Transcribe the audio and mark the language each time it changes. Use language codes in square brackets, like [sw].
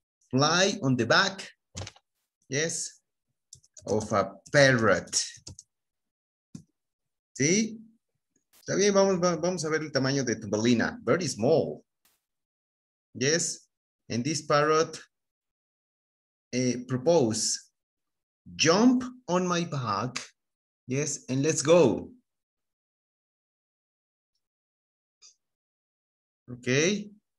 [en] Fly on the back, yes, of a parrot. [es] ¿Sí? Está bien, vamos a ver el tamaño de Thumbelina. [en] Very small. Yes, and this parrot propose, jump on my back, yes, and let's go. Okay.